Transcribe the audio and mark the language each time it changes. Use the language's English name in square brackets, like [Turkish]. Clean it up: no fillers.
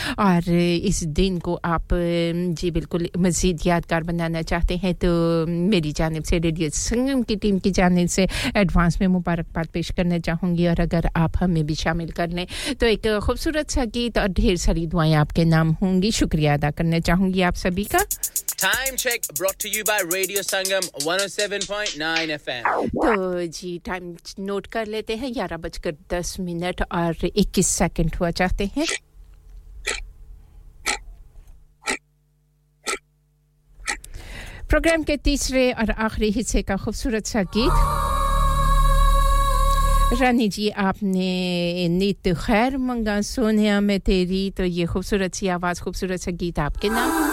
[Hindi] Aur is din ko aap ji bilkul mazeed yaadgar banane ना चाहते हैं तो मेरी जानिब से रेडियो संगम की टीम की जानिब से एडवांस में मुबारकबाद पेश करना चाहूंगी और अगर आप हमें भी शामिल कर लें तो एक खूबसूरत सा गीत और ढेर सारी दुआएं आपके नाम होंगी शुक्रिया अदा करना चाहूंगी आप सभी का [English] Time check brought to you by Radio Sangam 107.9 FM. [Hindi] तो जी टाइम नोट कर लेते हैं 11:10 हुआ चाहते हैं प्रोग्राम के तीसरे और आखिरी हिस्से का खूबसूरत सा गीत रानी जी आपने नित खैर मंगा सोनिया में तेरी तो ये खूबसूरत सी आवाज खूबसूरत सा गीत आपके नाम